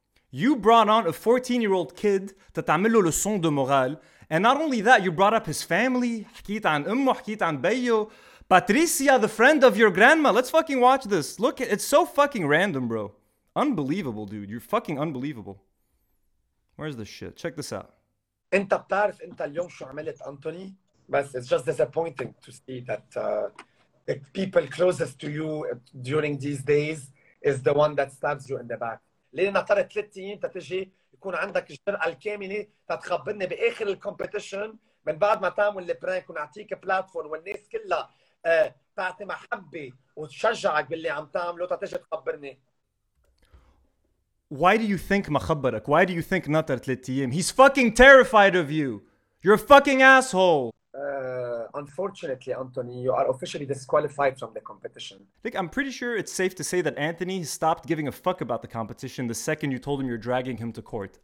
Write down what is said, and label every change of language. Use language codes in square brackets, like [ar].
[en] You brought on a 14-year-old kid to [ar] تعمل له [fr] leçon de morale, [en] and not only that, you brought up his family, [ar] حكيت عن أمه, حكيت عن بيو, [en] Patricia, the friend of your grandma. Let's fucking watch this. Look, it's so fucking random, bro. Unbelievable, dude. You're fucking unbelievable. Where's the shit? Check this out. [ar] انت بتعرف انت اليوم شو عملت, Anthony? [en] But it's just disappointing to see that the people closest to you during these days is the one that stabs you in the back. [ar] لأن ترى ثلاثة أيام تتجي يكون عندك الجرأة الكاملة تتخبرني بآخر الكومبيتيشن من بعد ما تعمل البرانك ونعطيك بلاتفورم والناس كلها تعطي محبة وتشجعك باللي عم تعمله تتجي تخبرني. [en] Why do you think [ar] مخبرك? [en] Why do you think [ar] نطر ثلاثة أيام? [en] He's fucking terrified of you. You're a fucking asshole. Unfortunately, Anthony, you are officially disqualified from the competition. Look, I'm pretty sure it's safe to say that Anthony stopped giving a fuck about the competition the second you told him you're dragging him to court.